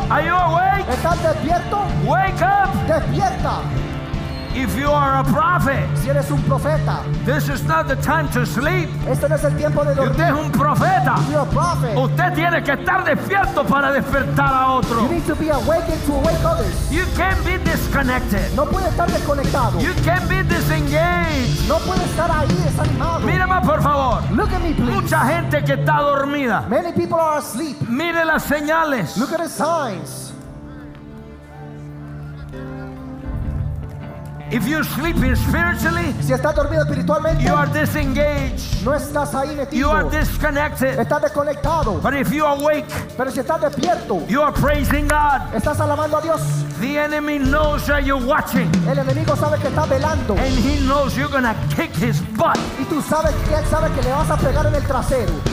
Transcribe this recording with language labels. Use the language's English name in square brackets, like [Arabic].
[English] Are you awake? [Spanish] ¿Está despierto? [English] Wake up! [Spanish] Despierta! [English] If you are a prophet, [Spanish] si eres un profeta, [English] this is not the time to sleep. [Spanish] Este no es el tiempo de dormir. Usted es un profeta. [English] You're a prophet. [Spanish] Usted tiene que estar despierto para despertar a otros. [English] You need to be awakened to awake others. You can't be disconnected. [Spanish] No puede estar desconectado. [English] You can't be disengaged. [Spanish] No puede estar ahí desanimado. Míreme, por favor. [English] Look at me, please. [Spanish] Mucha gente que está dormida. [English] Many people are asleep. [Spanish] Mire las señales. [English] Look at the signs. If you're sleeping spiritually, [Spanish] si estás dormido espiritualmente, [English] you are disengaged. [Spanish] No estás ahí metido. [English] You are disconnected. [Spanish] Estás desconectado. [English] But if you are awake, [Spanish] pero si estás despierto, [English] you are praising God. [Spanish] Estás alabando a Dios. [English] The enemy knows that you're watching. [Spanish] El enemigo sabe que está velando. [English] And he knows you're gonna kick his butt. [Spanish] Y tú sabes que él sabe que le vas a pegar en el trasero.